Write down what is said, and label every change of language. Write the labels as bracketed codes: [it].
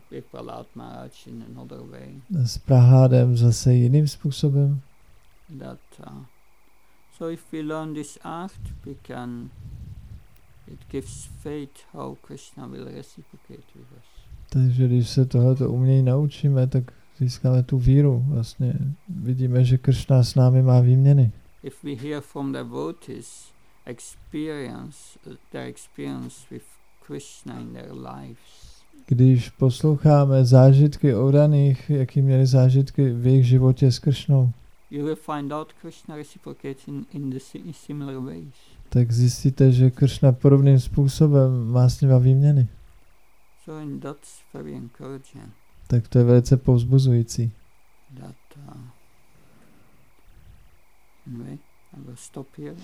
[en] Prahlad Maharaj in another way. [cs] S Prahládem zase jiným způsobem. [en] That, so if we learn this art, we can, it gives faith how Krishna will reciprocate with us. [cs] Takže když se tohleto umění naučíme, tak získáme tu víru. Vlastně vidíme, že Krishna s námi má výměny. [en] If we hear from the devotees experience, their experience with Krishna in their lives. [cs] Když posloucháme zážitky oddaných, jaký měli zážitky v jejich životě s Krishnou, [en] you will find out Krishna reciprocating in the similar ways. [cs] Tak zjistíte, že Krishna podobným způsobem má s nima výměny. [en] So, and that's very encouraging. [cs] Tak to je velice povzbuzující. [en] that anyway, I will stop here.